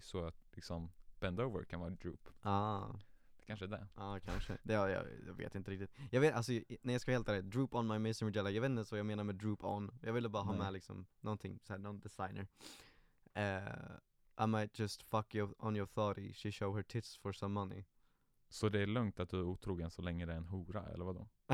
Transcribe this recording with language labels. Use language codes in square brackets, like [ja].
[sv] Så att liksom bend over kan vara droop. Ah. Det kanske är det. Ah, kanske. Det jag vet inte riktigt. Jag vet, alltså, när jag ska helt ärligt, [en] droop on my Mason Margiela. [sv] Jag vet inte så jag menar med droop on. Jag ville bara ha med liksom någonting, så här, någon designer. [en] I might just fuck you on your thotty. She show her tits for some money. [sv] Så det är lugnt att du är otrogen så länge det är en hora, eller vadå?